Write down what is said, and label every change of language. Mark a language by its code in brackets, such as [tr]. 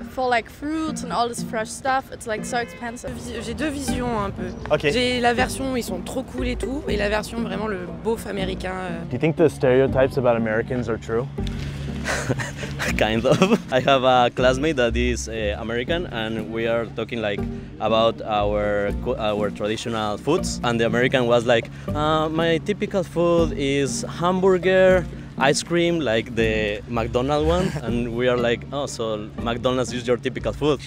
[en] For like fruits and all this fresh stuff, it's like so expensive. [fr] J'ai deux visions un peu. [en] Okay. [fr] J'ai la version où ils sont trop cool et tout, et la version vraiment le beauf américain. [en] Do you think the stereotypes about Americans are true? Kind of. I have a classmate that is American, and we are talking like about our traditional foods, and the American was like, my typical food is hamburger, ice cream, like the McDonald's one, and we are like, oh, so McDonald's is your typical food.